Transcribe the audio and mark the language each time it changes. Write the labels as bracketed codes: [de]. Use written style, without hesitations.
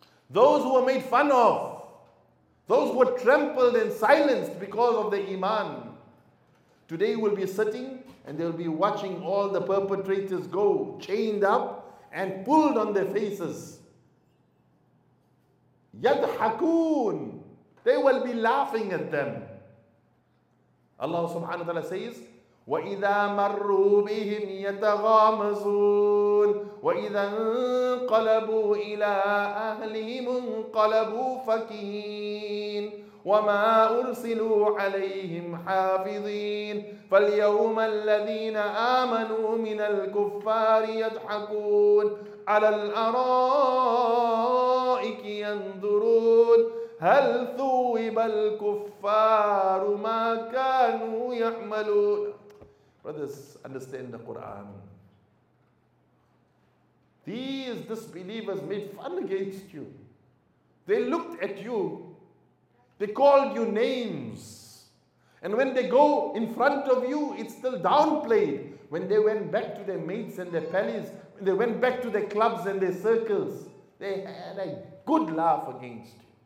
[en] those who were made fun of, those who were trampled and silenced because of the iman, today will be sitting and they will be watching all the perpetrators go chained up and pulled on their faces. Yadhakoon. They will be laughing at them. Allah subhanahu wa ta'ala says, [ar] وَإِذَا مَرُّوا بِهِمْ يَتَغَامَزُونَ وَإِذَا انْقَلَبُوا إِلَىٰ أَهْلِهِمُ انْقَلَبُوا فَكِهِينَ وَمَا أُرْسِلُوا عَلَيْهِمْ حَافِظِينَ فَالْيَوْمَ الَّذِينَ آمَنُوا مِنَ الْكُفَّارِ يَضْحَكُونَ عَلَى الْأَرَائِكِ يَنْظُرُونَ هَلْ ثُوِّبَ الْكُفَّارُ مَا كَانُوا يَعْمَلُونَ [en] Brothers, understand the Quran. These disbelievers made fun against you. They looked at you. They called you names. And when they go in front of you, it's still downplayed. When they went back to their mates and their pals, when they went back to their clubs and their circles, they had a good laugh against you.